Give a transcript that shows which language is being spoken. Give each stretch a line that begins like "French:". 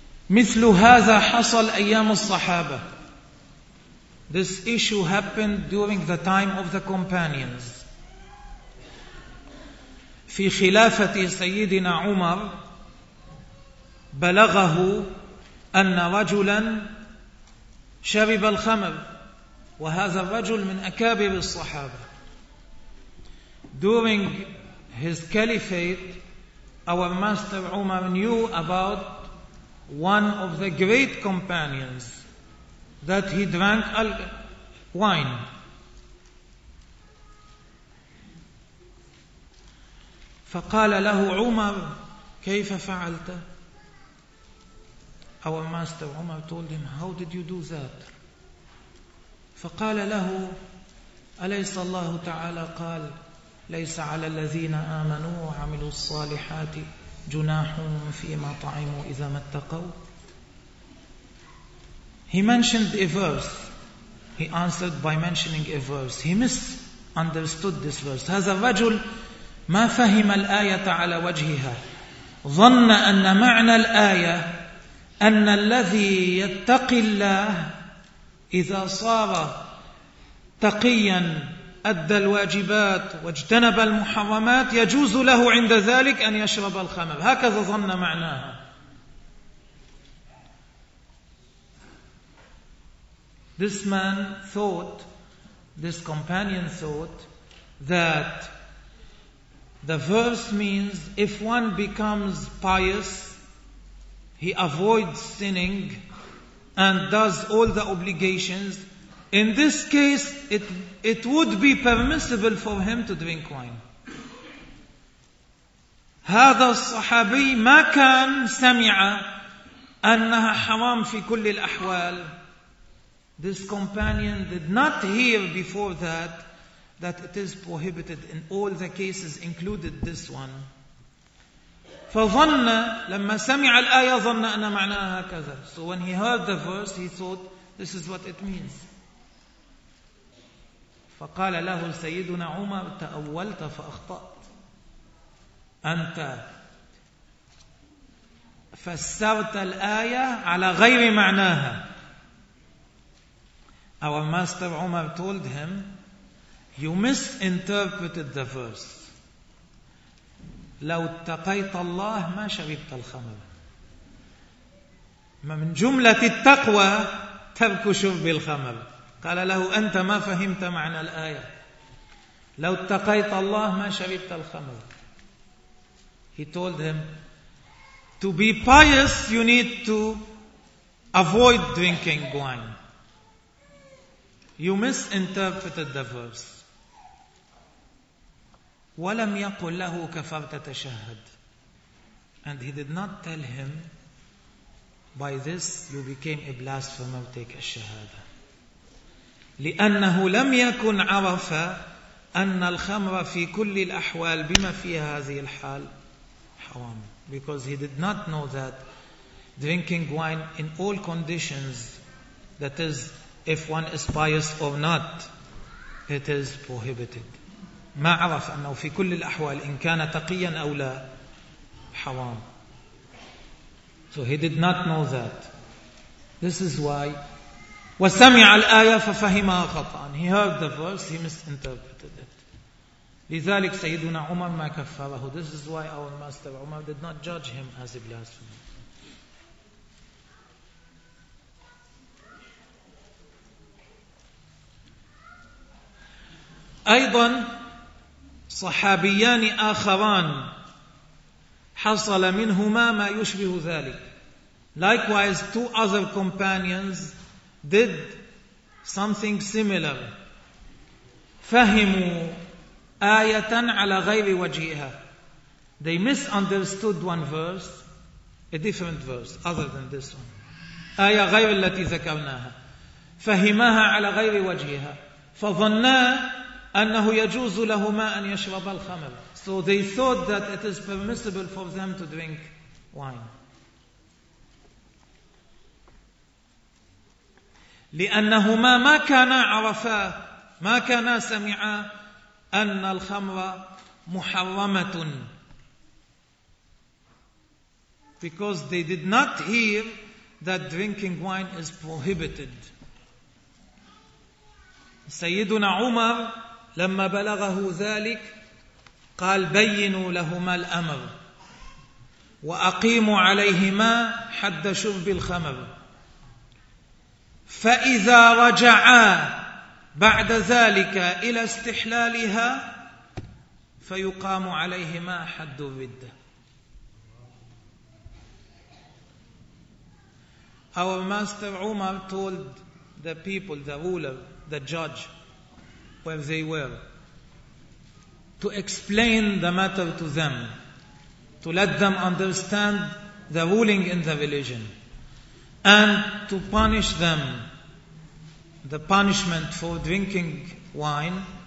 Arabic: مثل هذا حصل أيام الصحابة.
English: This issue happened during the time of the companions.
Arabic: في خلافة سيدنا عمر بلغه أن رجلا شرب الخمر وهذا الرجل من أكابر الصحابة.
English: During his caliphate, our master Umar knew about one of the great companions that he drank wine.
Arabic: فقال له عمر كيف فعلت.
English: Our master Umar told him, how did you do that?
Arabic: فقال له أليس الله تعالى قال ليس على الذين آمنوا وعملوا الصالحات جناح فيما طعموا إذا ما اتقوا.
English: He mentioned a verse. He answered by mentioning a verse. He misunderstood this verse.
Arabic: هذا الرجل ما فهم الآية على وجهها. ظن أن معنى الآية أن الذي يتقي الله إذا صار تقيا أدى الواجبات واجتنب المحرمات يجوز له عند ذلك أن يشرب الخمر. هكذا ظن معناها.
English: This man thought, this companion thought, that the verse means if one becomes pious, he avoids sinning and does all the obligations, in this case, it would be permissible for him to drink wine.
Arabic: هذا الصحابي ما كان سمع أنها حرام في كل الأحوال.
English: This companion did not hear before that it is prohibited in all the cases, included this one.
Arabic: فظن لما سمع الآية ظن أن معناها هكذا.
English: So when he heard the verse, he thought this is what it means.
Arabic: فقال له سيدنا عمر تأولت فأخطأت. أنت فسرت الآية على غير معناها.
English: Our master Umar told him, you misinterpreted the verse.
Arabic: لو اتقيت الله ما شربت الخمر. ما من جملة التقوى ترك شرب الخمر. قال له أنت ما فهمت معنى الآية. لو اتقيت الله ما شربت الخمر.
English: He told him, to be pious you need to avoid drinking wine. You misinterpreted the verse.
Arabic: ولم يقل له كفرت تشهد.
English: And he did not tell him, by this you became a blasphemer, take a shahada.
Arabic: لأنه لم يكن عرف أن الخمر في كل الأحوال بما فيها هذه الحال حرام.
English: Because he did not know that drinking wine in all conditions, that is, if one is pious or not, it is prohibited.
Arabic: ما عرف أنه في كل الأحوال إن كان تقيا أو لا حرام.
English: So he did not know that. This is why.
Arabic: وسمع الآية ففهمها خطأ.
English: He heard the verse, he misinterpreted it.
Arabic: لذلك سيدنا عمر ما كفره.
English: This is why our master Umar did not judge him as a blasphemer.
Arabic: أيضا صحابيان آخران حصل منهما ما يشبه ذلك.
English: Likewise, two other companions did something similar.
Arabic: فهموا آيَةً عَلَى غَيْرِ وَجِيهَا.
English: They misunderstood one verse, a different verse other than this one.
Arabic: آية غير التي ذكرناها. فهمها على غير وجهها. فظنا أنه يجوز لهما أن يشرب الخمر.
English: So they thought that it is permissible for them to drink wine.
Arabic: لأنهما ما كانا عرفا ما كانا سمعا أن الخمر محرمة.
English: Because they did not hear that drinking wine is prohibited.
Arabic: سيدنا عمر لما بلغه ذلك قال بينوا لهما الأمر وأقيموا عليهما حد شرب الخمر فإذا رجعا بعد ذلك إلى استحلالها فيقام عليهما حد الردة.
English: Our master Umar told the people, the ruler, the judge, where they were, to explain the matter to them, to let them understand the ruling in the religion, and to punish them, the punishment for drinking wine.